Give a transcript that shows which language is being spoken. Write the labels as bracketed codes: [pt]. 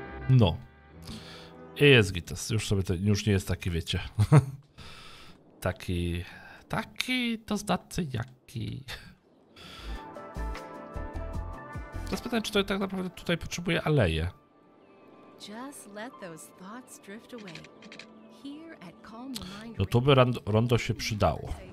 [pl] No. I jest Gitas. Już sobie to, już nie jest taki, wiecie. Taki. Taki to znaczy jaki. Teraz pytam, czy to tak naprawdę tutaj potrzebuje aleje. [en] Just let those thoughts drift away. Here at Calm Mind. [pl] No to by Rondo się przydało.